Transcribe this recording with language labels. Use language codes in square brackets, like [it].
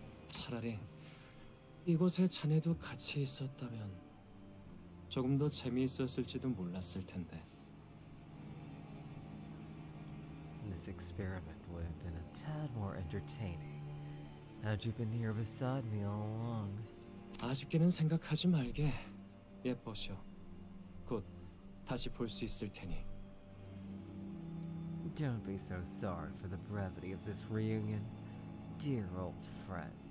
[ko] 차라리 이곳에 자네도 같이 있었다면 조금 더 재미있었을지도 몰랐을 텐데. [en] This experiment would have been a tad more entertaining had you been here beside me all along. [ko] 아쉽게는 생각하지 말게. 예뻐셔. 곧 다시 볼 수 있을 테니. [en] Don't be so sorry for the brevity of this reunion, dear old friend.